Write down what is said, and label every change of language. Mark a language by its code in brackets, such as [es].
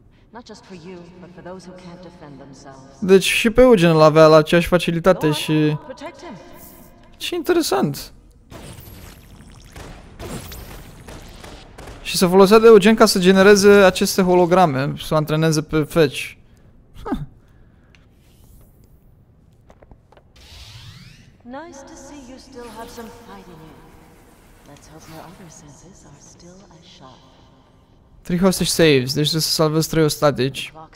[en] Not just for you, but for those who can't defend themselves. [ro] Deci și pe Eugene l-avea la aceeași facilitate și... Ce interesant! Și se folosea de Eugene ca să genereze aceste holograme, să o antreneze pe Fetch. [en] Nice to see you still have some fight in you. Let's hope your other senses are still as sharp. Three hostage saves, [ro] deci trebuie să salvez trei ostatici.